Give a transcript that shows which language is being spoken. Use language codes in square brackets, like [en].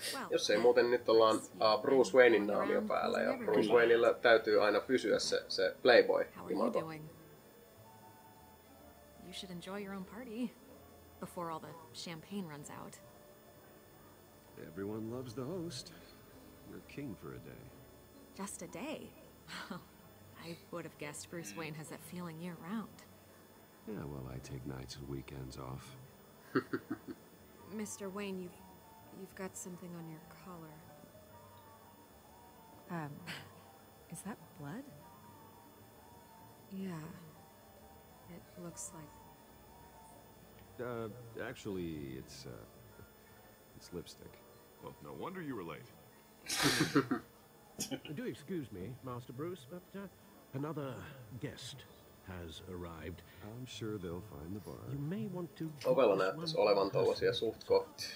[fi] Jos ei muuten, nyt ollaan Bruce Waynein naamio päällä, ja Bruce Waynella täytyy aina pysyä se playboy. [en] How are you doing? You should enjoy your own party before all the champagne runs out. Everyone loves the host. You're king for a day. Just a day? I would have guessed Bruce Wayne has that feeling year-round. Yeah, well, I take nights and weekends off. Mr. Wayne, you've got something on your collar. Is that blood? Yeah. It looks like... Actually, it's lipstick. Well, no wonder you were late. Do excuse me, Master Bruce, but another guest has arrived. I'm sure they'll find the bar. You may want to... [fi] Ovella näyttäisi olevan tollasia suhtko.